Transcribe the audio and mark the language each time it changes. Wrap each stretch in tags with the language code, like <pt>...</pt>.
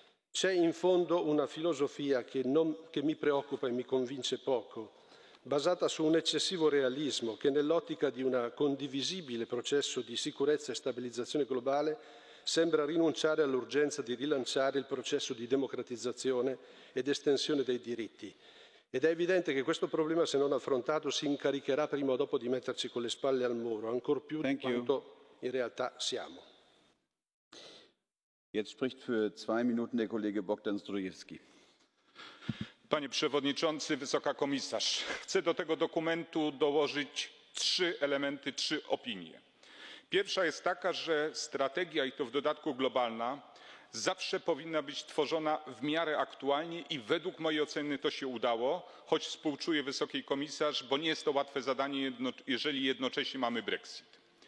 <it>C'è in fondo una filosofia che mi preoccupa e mi convince poco, basata su un eccessivo realismo che nell'ottica di un condivisibile processo di sicurezza e stabilizzazione globale sembra rinunciare all'urgenza di rilanciare il processo di democratizzazione ed estensione dei diritti. Ed è evidente che questo problema, se non affrontato, si incaricherà prima o dopo di metterci con le spalle al muro, ancor più di quanto in realtà siamo.</it> <de>Jetzt spricht für zwei Minuten der Kollege Bogdan Zdrojewski.</de> <pl>Panie Przewodniczący, Wysoka Komisarz, chcę do tego dokumentu dołożyć trzy elementy, trzy opinie. Pierwsza jest taka, że strategia, i to w dodatku globalna, zawsze powinna być tworzona w miarę aktualnie i według mojej oceny to się udało, choć współczuję Wysokiej Komisarz, bo nie jest to łatwe zadanie, jeżeli jednocześnie mamy Brexit.</pl>